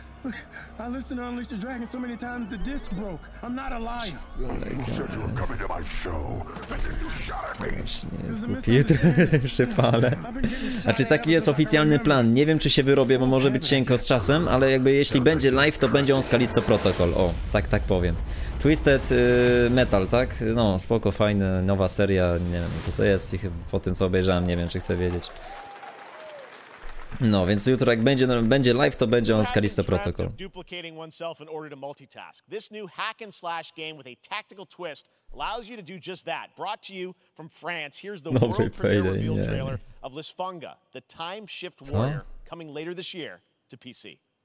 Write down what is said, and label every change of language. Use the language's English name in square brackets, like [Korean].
[English] Look, I listened to Unleash the Dragon so many times the disc broke. I'm not a liar. You said you were coming to my show. Thinking you shot at me. [Polish] Jutro się palę. Znaczy, taki jest oficjalny plan. Nie wiem, czy się wyrobię, bo może być cienko z czasem, ale jakby jeśli będzie live, to będzie on Kalisto Protocol. O, tak, tak powiem. Twisted Metal, tak? No, spoko, fajne, nowa seria. Nie wiem, co to jest. I po tym, co obejrzałem, nie wiem, czy chcę wiedzieć. No, więc jutro jak będzie, no, będzie live, to będzie on Kalisto Protocol. [English] Duplicating oneself in order to multitask. This new hack and slash game with a tactical twist allows you to do just that. Brought to you from France. Here's the world premiere reveal trailer of Lisfanga, the time shift warrior, coming later this year to PC.